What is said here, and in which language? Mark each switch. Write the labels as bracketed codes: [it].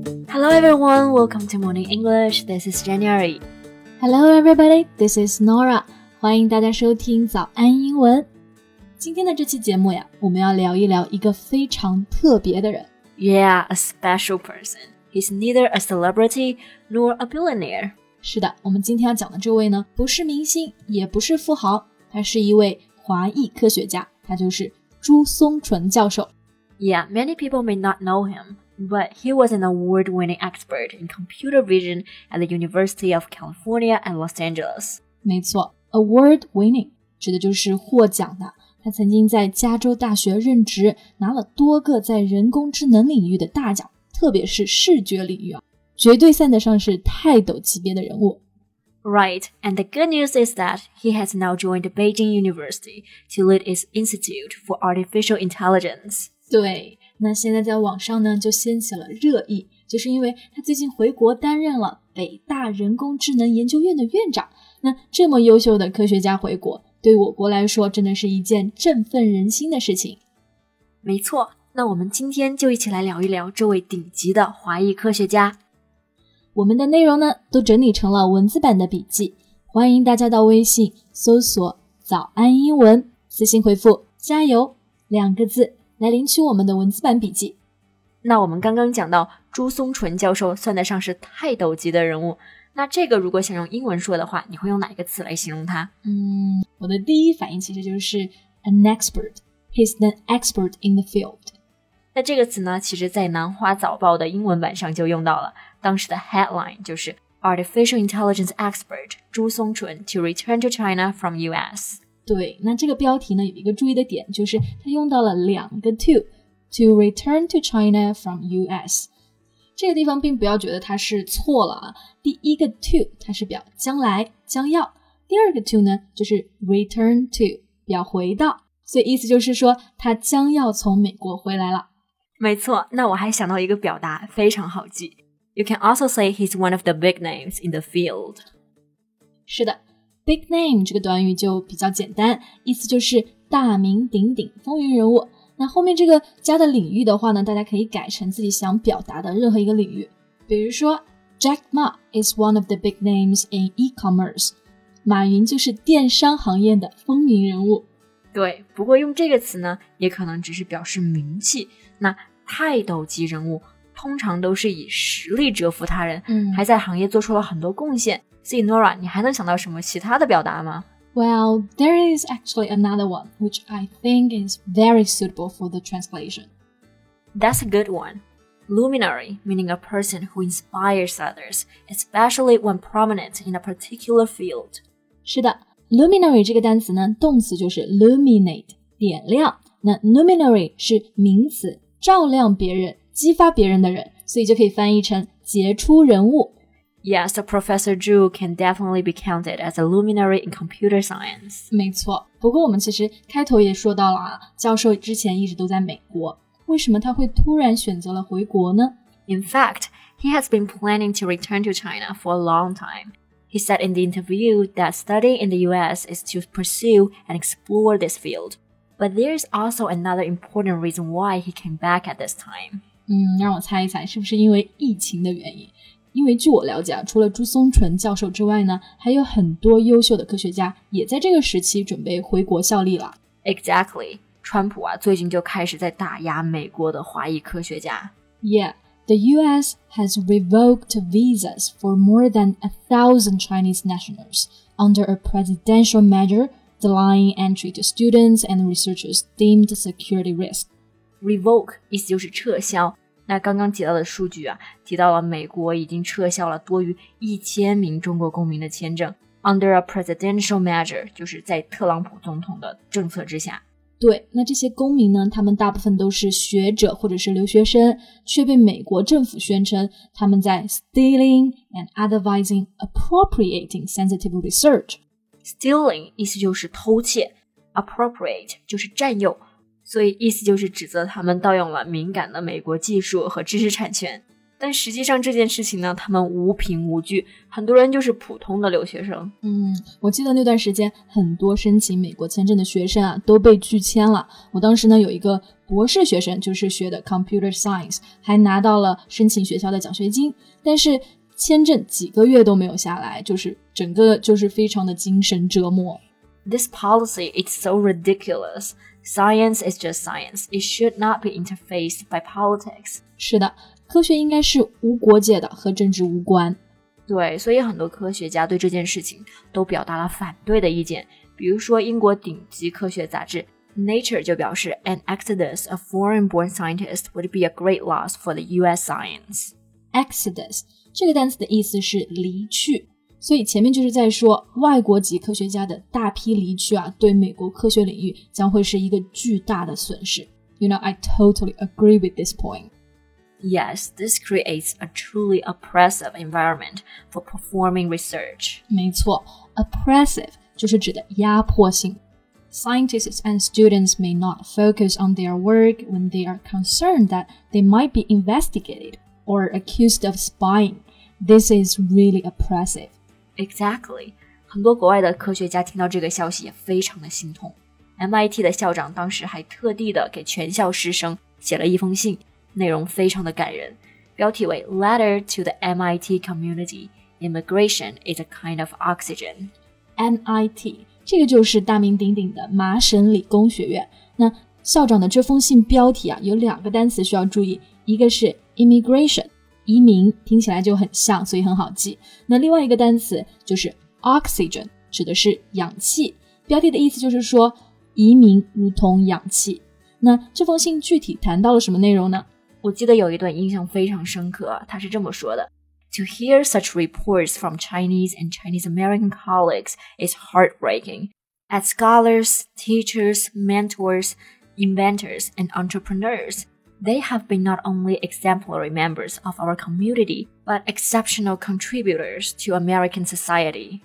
[en] Hello everyone, welcome to Morning English, this is January. Hello everybody, this is Nora. [zh] 欢迎大家收听早安英文。今天的这期节目呀，我们要聊一聊一个非常特别的人。 [en] Yeah, a special person. He's neither a celebrity nor a billionaire. [zh] 是的，我们今天要讲的这位呢，不是明星，也不是富豪，他是一位华裔科学家，他就是朱松纯教授。 [en] Yeah, many people may not know him. But he was an award-winning expert in computer vision at the University of California at Los Angeles. [zh] 没错 ,award-winning 指的就是获奖的。他曾经在加州大学任职，拿了多个在人工智能领域的大奖，特别是视觉领域啊，绝对算得上是泰斗级别的人物。 [en] Right, and the good news is that he has now joined Beijing University to lead its Institute for Artificial Intelligence. [zh] 对。那现在在网上呢就掀起了热议，就是因为他最近回国担任了北大人工智能研究院的院长。那这么优秀的科学家回国，对我国来说真的是一件振奋人心的事情。没错，那我们今天就一起来聊一聊这位顶级的华裔科学家。我们的内容呢都整理成了文字版的笔记，欢迎大家到微信搜索早安英文，私信回复加油两个字来领取我们的文字版笔记。那我们刚刚讲到朱松纯教授算得上是泰斗级的人物，那这个如果想用英文说的话，你会用哪一个词来形容他？我的第一反应其实就是 [en] an expert. He's an expert in the field. [zh] 那这个词呢，其实在南华早报的英文版上就用到了，当时的 headline 就是 [en] Artificial Intelligence Expert 朱松纯 to return to China from US. [zh] 对，那这个标题呢有一个注意的点，就是他用到了两个 [en] to return to China from US。 [zh] 这个地方并不要觉得它是错了啊，第一个 to 它是表将来将要，第二个 to 呢就是 return to 表回到，所以意思就是说他将要从美国回来了。没错，那我还想到一个表达非常好记， [en] You can also say he's one of the big names in the field. [zh] 是的，Big name 这个短语就比较简单，意思就是大名鼎鼎风云人物。那后面这个加的领域的话呢，大家可以改成自己想表达的任何一个领域。比如说 [en] Jack Ma is one of the big names in e-commerce. [zh] 马云就是电商行业的风云人物。对，不过用这个词呢也可能只是表示名气。那泰斗级人物通常都是以实力折服他人，还在行业做出了很多贡献。所以 Nora, 你还能想到什么其他的表达吗？ [en] Well, there is actually another one, which I think is very suitable for the translation. That's a good one. Luminary, meaning a person who inspires others, especially when prominent in a particular field. [zh] 是的， Luminary 这个单词呢，动词就是 luminate, 点亮。那 Luminary 是名词，照亮别人，激发别人的人，所以就可以翻译成杰出人物。 [en] Yes, so Professor Zhu can definitely be counted as a luminary in computer science. [zh] 没错，不过我们其实开头也说到了啊，教授之前一直都在美国，为什么他会突然选择了回国呢？ [en] In fact, he has been planning to return to China for a long time. He said in the interview that studying in the US is to pursue and explore this field. But there is also another important reason why he came back at this time. [zh] 让我猜一猜，是不是因为疫情的原因？因为据我了解，除了朱松纯教授之外呢，还有很多优秀的科学家也在这个时期准备回国效力了。 [en] Exactly. [zh] 川普啊，最近就开始在打压美国的华裔科学家。 [en] Yeah, the US has revoked visas for more than 1,000 Chinese nationals under a presidential measure denying entry to students and researchers deemed security risk. [zh] Revoke 意思就是撤销。那刚刚提到的数据啊，提到了美国已经撤销了多于1000名中国公民的签证 ， [en] under a presidential measure， [zh] 就是在特朗普总统的政策之下。对，那这些公民呢，他们大部分都是学者或者是留学生，却被美国政府宣称他们在 [en] stealing and advising appropriating sensitive research。 [zh] Stealing 意思就是偷窃 ，appropriate 就是占用。所以意思就是指责他们盗用了敏感的美国技术和知识产权。但实际上这件事情呢，他们无凭无据，很多人就是普通的留学生。嗯，我记得那段时间很多申请美国签证的学生啊都被拒签了。我当时呢有一个博士学生，就是学的 computer science， 还拿到了申请学校的奖学金，但是签证几个月都没有下来，就是整个就是非常的精神折磨。 [en] This policy is so ridiculous. Science is just science. It should not be interfaced by politics. [zh] 是的，科学应该是无国界的，和政治无关。对，所以很多科学家对这件事情都表达了反对的意见。比如说英国顶级科学杂志 [en] Nature [zh] 就表示 [en] An exodus of foreign-born scientists would be a great loss for the US science. [zh] Exodus这个单词的意思是离去，所以前面就是在说外国籍科学家的大批离去啊，对美国科学领域将会是一个巨大的损失。 [en] You know, I totally agree with this point. Yes, this creates a truly oppressive environment for performing research. [zh] 没错， oppressive 就是指的压迫性。 [en] Scientists and students may not focus on their work when they are concerned that they might be investigated. Or accused of spying. This is really oppressive. Exactly. [zh] 很多国外的科学家听到这个消息也非常的心痛。 MIT 的校长当时还特地的给全校师生写了一封信，内容非常的感人。标题为 [en] Letter to the MIT Community. Immigration is a kind of oxygen. [zh] MIT, 这个就是大名鼎鼎的麻省理工学院。那校长的这封信标题啊，有两个单词需要注意，一个是immigration， 移民，听起来就很像，所以很好记。那另外一个单词就是 oxygen， 指的是氧气。标题的意思就是说移民如同氧气。那这封信具体谈到了什么内容呢？我记得有一段印象非常深刻，他是这么说的： [en] To hear such reports from Chinese and Chinese American colleagues is heartbreaking. As scholars, teachers, mentors, inventors, and entrepreneursThey have been not only exemplary members of our community, but exceptional contributors to American society.